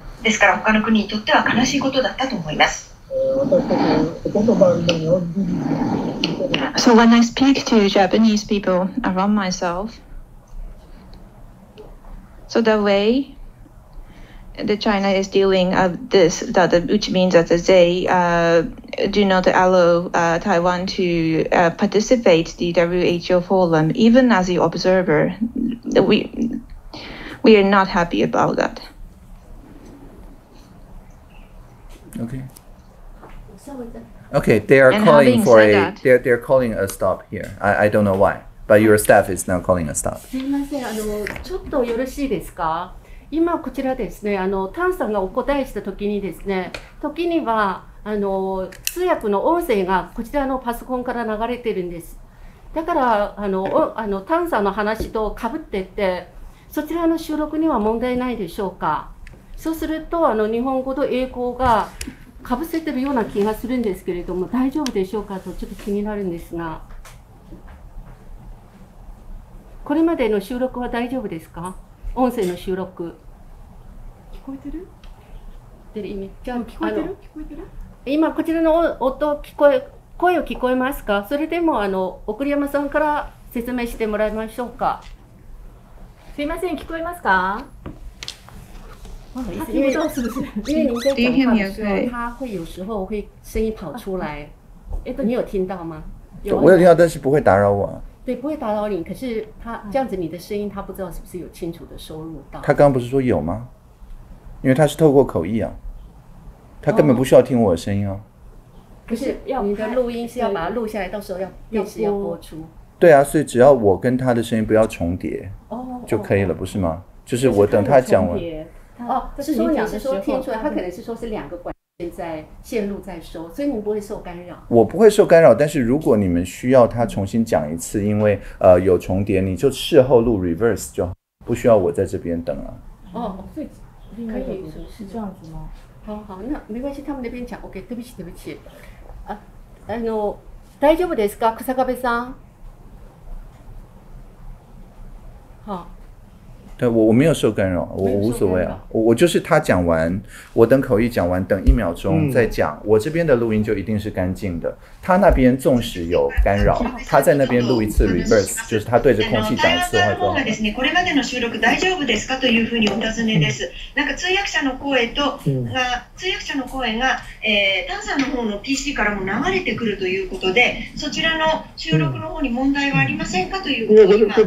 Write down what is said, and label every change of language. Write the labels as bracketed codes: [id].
[en] So when I speak to Japanese people around myself, so the way the China is dealing with this, that which means that they do not allow Taiwan to participate the WHO forum, even as the observer, we are not happy about that. Okay. Okay, they are calling for a. They're calling a stop here. I don't know why, but your staff is now calling a stop. [ja] すみません、ちょっとよろしいですか。今こちらですね、タンさんがお答えした時にですね、時には通訳の音声がこちらのパソコンから流れてるんです。だからタンさんの話と被ってて、そちらの収録には問題ないでしょうか。そうすると日本語と英語が かぶせてるような気がするんですけれども、大丈夫でしょうかとちょっと気になるんですが、これまでの収録は大丈夫ですか？音声の収録。聞こえてる？出る意味。じゃあ聞こえてる？聞こえてる？今こちらの音聞こえ、声を聞こえますか？それでも送山さんから説明してもらいましょうか。すいません、聞こえますか？ [en] Do you hear me okay? [zh] 他会有时候会声音跑出来，你有听到吗？我有听到，但是不会打扰我。对，不会打扰你。可是他这样子，你的声音他不知道是不是有清楚的收入到。他刚刚不是说有吗？因为他是透过口译啊，他根本不需要听我的声音啊。不是，要你的录音是要把它录下来，到时候要电视要播出。对啊，所以只要我跟他的声音不要重叠，就可以了，不是吗？就是我等他讲完。哦，是说你是说听出来，他可能是说是两个管线在线路在收，所以你不会受干扰。我不会受干扰，但是如果你们需要他重新讲一次，因为有重叠，你就事后录 reverse 就好，不需要我在这边等了。哦，所以可以是这样子吗？好，那没关系，他们那边讲 OK。对不起，对不起。 [ja] 大丈夫ですか、草壁さん？ [zh] 好。对，我没有受干扰，我无所谓啊，我就是他讲完，我等口译讲完，等一秒钟再讲，我这边的录音就一定是干净的。他那边纵使有干扰，他在那边录一次 reverse， 就是他对着空气讲一次话就好。 [ja] これまでの収録大丈夫ですかというふうにお尋ねです。なんか通訳者の声と通訳者の声がタンさんの方の PC からも流れてくるということで、そちらの収録の方に問題はありませんかということ